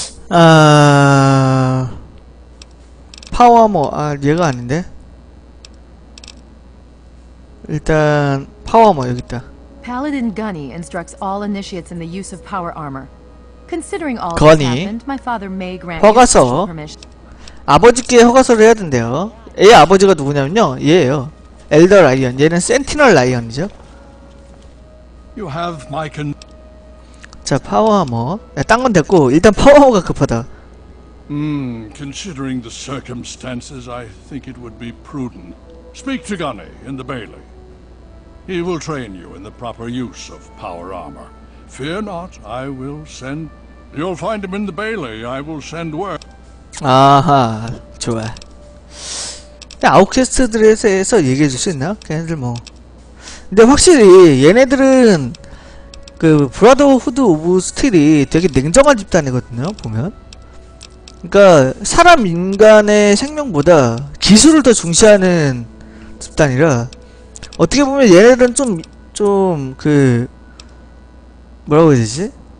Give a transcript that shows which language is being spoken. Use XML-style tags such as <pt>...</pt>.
<ko>아 파워아머 아 얘가 아닌데 일단 파워아머 여기 있다.</ko> <en>Paladin Gunny instructs all initiates in the use of power armor. Considering all that happened, my father may grant permission.</en> <ko>아버지께 허가서를 해야 된대요. 얘 아버지가 누구냐면요 얘예요. 엘더 라이언. 얘는 센티널 라이언이죠.</ko> <en>You have my con-</en> <ko>자 파워하머 야 딴건 됐고 일단 파워하머가 급하다.</ko> <en>Considering the circumstances, I think it would be prudent. Speak to Gunny in the Bailey. He will train you in the proper use of power armor. Fear not, I will send You'll find him in the bailey. I will send word.</en> <ko>아하, 좋아. 야, 아웃캐스트들에서 얘기해 줄 수 있나? 걔네들 뭐. 근데 확실히 얘네들은 그 브라더후드 오브 스틸이 되게 냉정한 집단이거든요, 보면. 그러니까 사람 인간의 생명보다 기술을 더 중시하는 집단이라 어떻게 보면 얘네들은 좀 그 뭐라고 해야 되지?</ko>